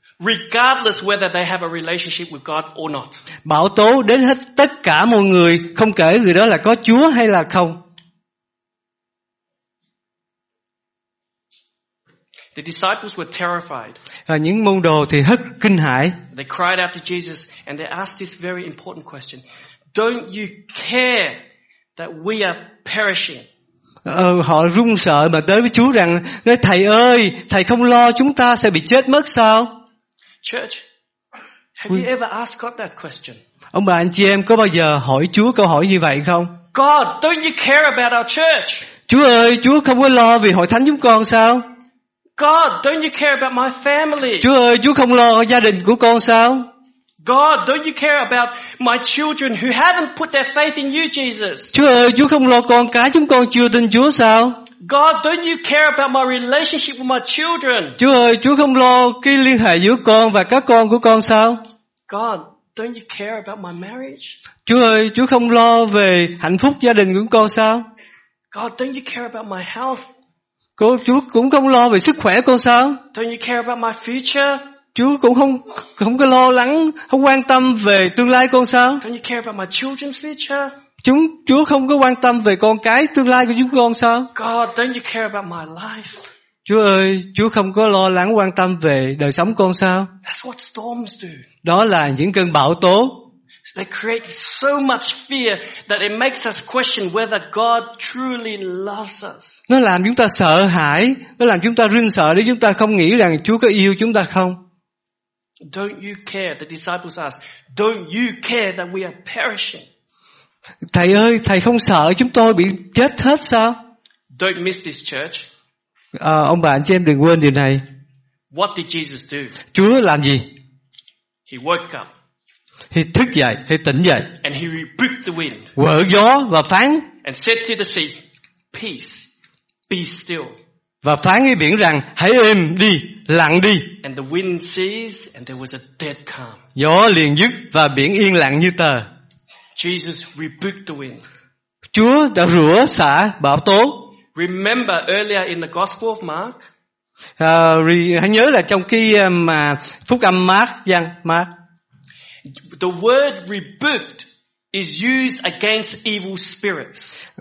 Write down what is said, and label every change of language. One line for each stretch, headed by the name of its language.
English: Regardless whether they have a relationship with God or not.
Vietnamese: Bão tố đến hết tất cả mọi người, không kể người đó là có Chúa hay là không.
English: The disciples were terrified.
Vietnamese: Những môn đồ thì hết kinh hãi.
English: They cried out to Jesus and they asked this very important question. Don't you care that we are perishing?
Vietnamese: Họ run sợ mà tới với Chúa rằng, thầy ơi, thầy không lo chúng ta sẽ bị chết mất sao?
English: Church, have you ever asked God that question?
Vietnamese: Ông bà anh chị em có bao giờ hỏi Chúa câu hỏi như vậy không?
English: God, don't you care about our church?
Vietnamese: Chúa ơi, Chúa không có lo vì hội thánh chúng con sao?
English: God, don't you care about my family?
Vietnamese: Chúa ơi, Chúa không lo gia đình của con sao?
English: God, don't you care about my children who haven't put their faith in you, Jesus?
Vietnamese: Chúa ơi, Chúa không lo con cái chúng con chưa tin Chúa sao?
English: God, don't you care about my relationship with my children?
Vietnamese: Chúa ơi, Chúa không lo cái liên hệ giữa con và các con của con sao?
English: God, don't you care about my marriage?
Vietnamese: Chúa ơi, Chúa không lo về hạnh phúc gia đình của con sao?
English: God, don't you care about my health?
Vietnamese: Chúa cũng không lo về sức khỏe con sao?
English: Don't you care about my future?
Vietnamese: Chúa cũng không có lo lắng, không quan tâm về tương lai con sao?
English: Don't you care about my children's future?
Vietnamese: Chúa không có quan tâm về con cái tương lai của chúng con sao?
English: God, don't you care about my life?
Vietnamese: Chúa ơi, Chúa không có lo lắng quan tâm về đời sống con sao?
English: That's what storms do.
Vietnamese: Đó là những cơn bão tố.
English: They create so much fear that it makes us question whether God truly loves us.
Vietnamese: Nó làm chúng ta sợ hãi, nó làm chúng ta run sợ để chúng ta không nghĩ rằng Chúa có yêu chúng ta không?
English: Don't you care? The disciples ask. Don't you care that we are perishing?
Vietnamese: Thầy ơi, thầy không sợ chúng tôi bị chết hết sao?
English: Don't miss this church.
Vietnamese: À, ông bà anh chị em đừng quên điều này.
English: What did Jesus do?
Vietnamese: Chúa làm gì?
English: He woke up.
Vietnamese: He thức dậy, he tỉnh dậy.
English: And he rebuked the wind.
Vietnamese: Vỡ gió và phán.
English: And said to the sea, "Peace, be still."
Vietnamese: Và phán với biển rằng, hãy êm đi, lặng đi.
English: And the wind ceased, and there was a dead calm.
Vietnamese: Gió liền dứt và biển yên lặng như tờ.
English: Jesus rebuked the wind.
Vietnamese: Chúa đã rủa xả bão tố.
English: Remember earlier in the Gospel of Mark.
Vietnamese: Hãy nhớ là trong cái mà phúc âm Mark văn Mark.
English: The word rebuked is used against evil spirits.